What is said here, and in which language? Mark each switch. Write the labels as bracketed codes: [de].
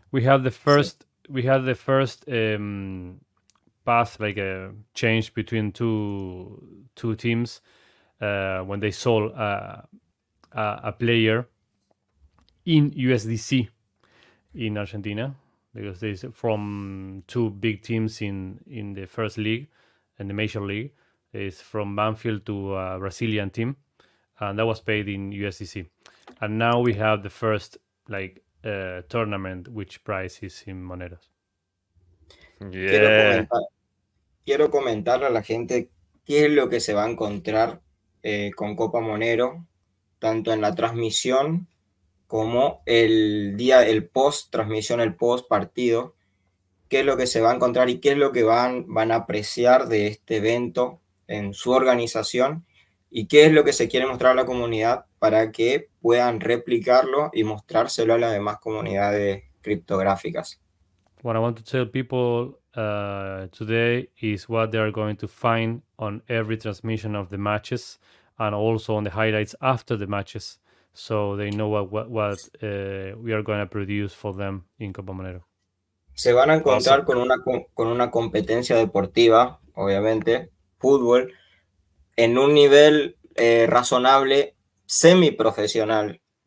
[en] We have the first pass, like a change between two teams when they sold a player in USDC in Argentina, because they're from two big teams in the first league and the major league. It's from Banfield to a Brazilian team, and that was paid in USDC. And now we have the first tournament which price is in Moneros. Yeah. [es] Quiero comentar a la gente qué es lo que se va a encontrar con Copa Monero, tanto en la transmisión como el día, el post transmisión, el post partido, qué es lo que se va a encontrar y qué es lo que van a apreciar de este evento en su organización y qué es lo que se quiere mostrar a la comunidad para que puedan replicarlo y mostrárselo a las demás comunidades criptográficas. [en] What I want to tell people today is what they are going to find on every transmission of the matches and also on the highlights after the matches, so they know what we are going to produce for them in Copa Monero. [es] Se van a encontrar con una competencia deportiva, obviamente, fútbol, en un nivel razonable, semi-profesional.